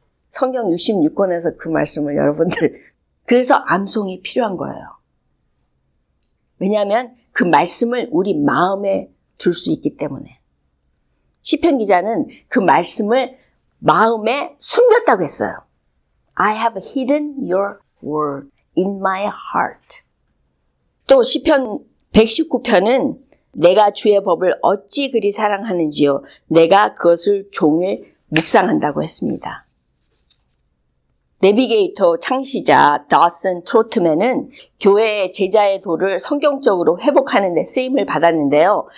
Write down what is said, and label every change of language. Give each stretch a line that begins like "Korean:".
Korean: 성경 66권에서 그 말씀을 여러분들 그래서 암송이 필요한 거예요. 왜냐하면 그 말씀을 우리 마음에 둘 수 있기 때문에 시편 기자는 그 말씀을 마음에 숨겼다고 했어요.
English: I have hidden your word in my heart.
Korean: 또 시편 119편은 내가 주의 법을 어찌 그리 사랑하는지요. 내가 그것을 종일 묵상한다고 했습니다. 내비게이터 창시자 다슨 트로트맨은 교회의 제자의 도를 성경적으로 회복하는 데 쓰임을 받았는데요.